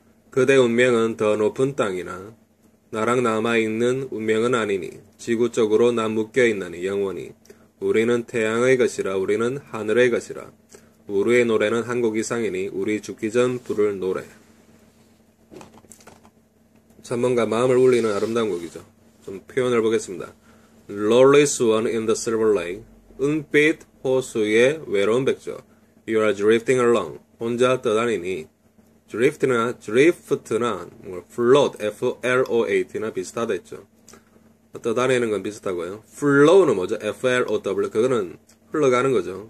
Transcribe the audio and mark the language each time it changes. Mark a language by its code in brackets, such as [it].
[ko] 그대 운명은 더 높은 땅이나 나랑 남아있는 운명은 아니니, 지구 쪽으로 난 묶여있나니 영원히. 우리는 태양의 것이라, 우리는 하늘의 것이라, 우리의 노래는 한국 이상이니, 우리 죽기 전 부를 노래. 참 뭔가 마음을 울리는 아름다운 곡이죠. 좀 표현을 보겠습니다. [en] Lonely swan in the silver lake, [ko] 은빛 호수의 외로운 백조, [en] You are drifting along, [ko] 혼자 떠다니니. Drift나 drift나 뭐 float, float나 비슷하댔죠. 떠다니는 건 비슷하고요. Flow는 뭐죠? flow, 그거는 흘러가는 거죠.